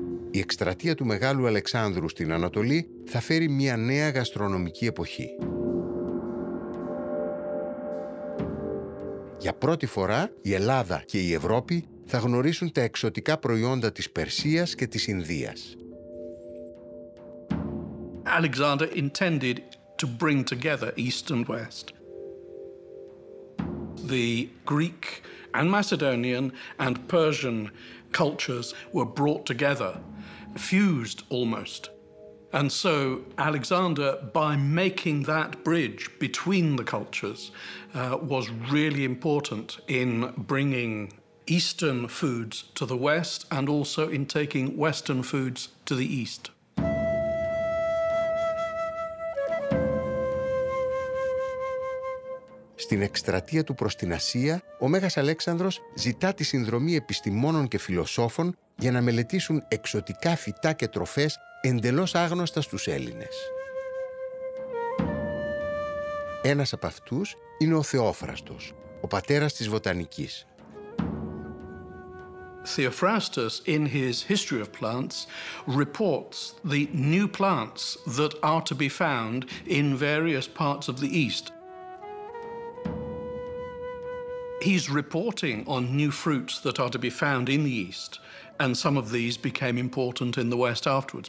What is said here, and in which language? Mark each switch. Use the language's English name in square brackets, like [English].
[Greek] Η εκστρατεία του Μεγάλου Αλεξάνδρου στην Ανατολή θα φέρει μια νέα γαστρονομική εποχή. Για πρώτη φορά, η Ελλάδα και η Ευρώπη θα γνωρίσουν τα εξωτικά προϊόντα της Περσίας και της Ινδίας. [English] Alexander intended to bring together East and West. The Greek and Macedonian and Persian cultures were brought together. Fused almost. And so Alexander, by making that bridge between the cultures, was really important in bringing Eastern foods to the West and also in taking Western foods to the East. Ο [Greek] Στην εκστρατεία του προς την Ασία, ο Μέγας Αλέξανδρος ζητά τη συνδρομή επιστημόνων και φιλοσόφων για να μελετήσουν εξωτικά φυτά και τροφές εντελώς άγνωστα στους Έλληνες. Ένας από αυτούς είναι ο Θεόφραστος, ο πατέρας της βοτανικής. [English] Theophrastus, in his History of Plants, reports the new plants that are to be found in various parts of the East. He's reporting on new fruits that are to be found in the East, and some of these became important in the West afterwards.